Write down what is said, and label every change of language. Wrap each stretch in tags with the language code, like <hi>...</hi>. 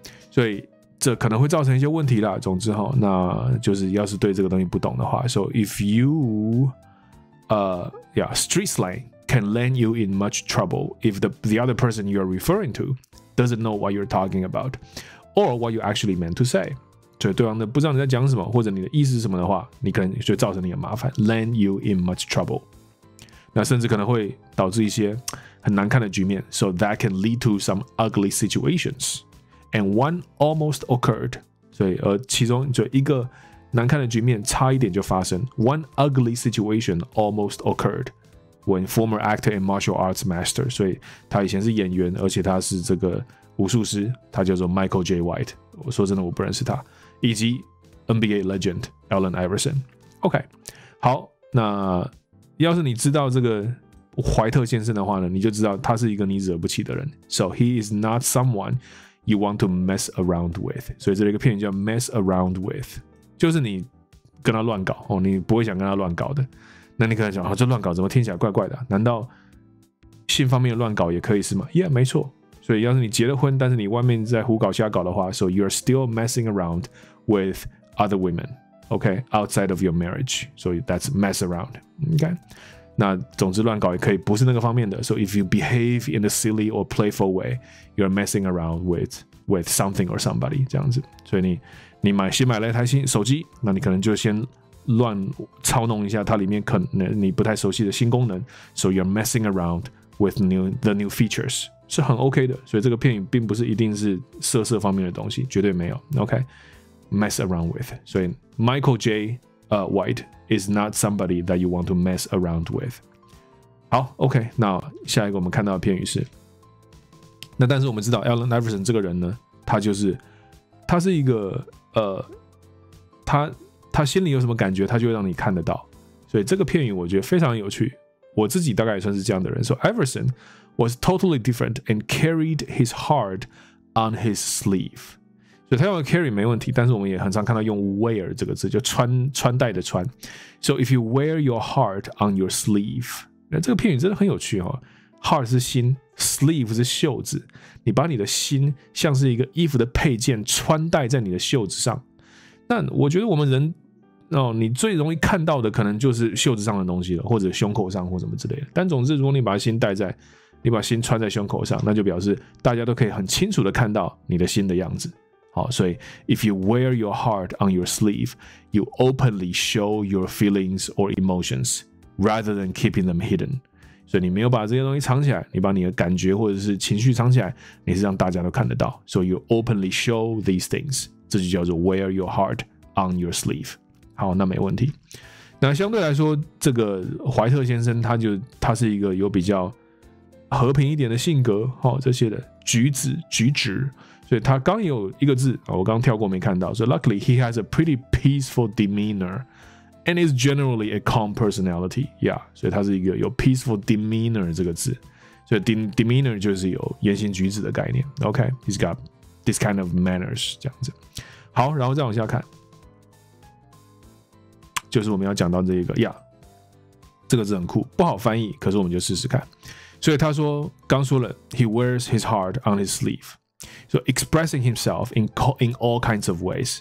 <zh>所以这可能会造成一些问题啦。总之，那就是要是对这个东西不懂的话，</zh> <en>So if you street slang can land you in much trouble if the other person you're referring to doesn't know what you're talking about or what you actually meant to say。</en> <zh>所以对方的不知道你在讲什么或者你的意思是什么的话，你可能就造成你的麻烦，</zh> <en>land you in much trouble。</en> <zh>那甚至可能会导致一些很难看的局面。</zh> <en>So that can lead to some ugly situations and one almost occurred。</en> <zh>所以其中就一个难看的局面差一点就发生。</zh> <en>One ugly situation almost occurred when former actor and martial arts master。</en> <zh>所以他以前是演员，而且他是这个武术师，他叫做 Michael J. White。我说真的我不认识他，以及</zh> <en>NBA legend</en> <zh>Allen Iverson。 OK， 好，那要是你知道这个怀特先生的话呢，你就知道他是一个你惹不起的人。</zh> <en>So he is not someone you want to mess around with。</en> <zh>所以这里一个片语叫</zh> <en>mess around with，</en> <zh>就是你跟他乱搞，你不会想跟他乱搞的。那你可能想，这乱搞怎么听起来怪怪的？难道性方面的乱搞也可以是吗？</zh> <en>Yeah，</en> <zh>没错。所以要是你结了婚，但是你外面在胡搞瞎搞的话，</zh> <en>So you're still messing around with other women， OK， outside of your marriage， So that's mess around， OK。</en> <zh>那总之乱搞也可以不是那个方面的。</zh> <en>So if you behave in a silly or playful way， you're messing around with something or somebody，</en> <zh>这样子。所以你买新买了一台新手机，那你可能就先乱操弄一下它里面可能你不太熟悉的新功能。</zh> <en>So you're messing around with the new features</en> <zh>是很 OK 的。所以这个片语并不是一定是色色方面的东西，绝对没有。</zh> <en>OK， mess around with。 所以 Michael J. White is not somebody that you want to mess around with。</en> <zh>好， OK， 那下一个我们看到的片语是，那但是我们知道 Allen Iverson 这个人呢，他是一个他心里有什么感觉他就会让你看得到。所以这个片语我觉得非常有趣，我自己大概也算是这样的人。</zh> <en>So Iverson was totally different and carried his heart on his sleeve。</en> <zh>所以他用的 carry 没问题，但是我们也很常看到用 wear 这个字，就穿戴的穿。</zh> <en>So if you wear your heart on your sleeve，</en> <zh>那这个片语真的很有趣哦。 Heart 是心， sleeve 是袖子，你把你的心像是一个衣服的配件穿戴在你的袖子上。那我觉得我们人你最容易看到的可能就是袖子上的东西了，或者胸口上或什么之类的。但总之如果你把心戴在，你把心穿在胸口上，那就表示大家都可以很清楚的看到你的心的样子。</zh> <en>好，所以 If you wear your heart on your sleeve, you openly show your feelings or emotions rather than keeping them hidden。</en> <zh>所以你没有把这些东西藏起来，你把你的感觉或者是情绪藏起来，你是让大家都看得到。</zh> <en>So you openly show these things，</en> <zh>这就叫做</zh> <en>wear your heart on your sleeve。</en> <zh>好，那没问题。那相对来说，这个怀特先生他是一个有比较和平一点的性格，哦，这些的举止，所以他刚有一个字，哦，我刚跳过没看到。</zh> <en>So luckily he has a pretty peaceful demeanor。 And is generally a calm personality, yeah.</en> <zh>所以它是一个有</zh> <en>peaceful demeanor</en> <zh>这个字，所以 demeanor 就是有言行举止的概念。</zh> <en>OK, he's got this kind of manners</en> <zh>这样子。好，然后再往下看，就是我们要讲到这一个 ，yeah， 这个字很酷，不好翻译，可是我们就试试看。</zh> <en>所以他说，刚说了 ，he wears his heart on his sleeve, so expressing himself in all kinds of ways.</en>